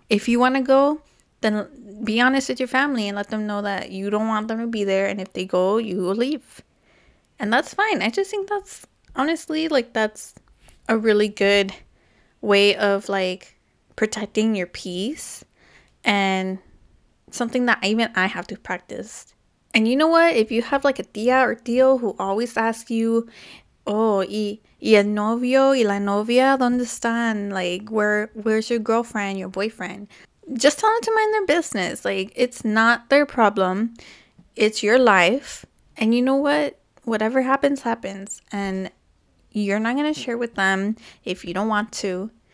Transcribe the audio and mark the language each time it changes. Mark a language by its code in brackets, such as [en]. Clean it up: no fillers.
[en] If you want to go, then be honest with your family and let them know that you don't want them to be there. And if they go, you will leave. And that's fine. I just think that's, honestly, like, that's a really good way of, like, protecting your peace, and something that even I have to practice. And you know what? If you have, like, a tía or tío who always asks you, oh, [es] y el novio y la novia, ¿dónde están? [en] Like, where's your girlfriend, your boyfriend? Just tell them to mind their business. Like, it's not their problem. It's your life. And you know what? Whatever happens, happens. And you're not going to share with them if you don't want to.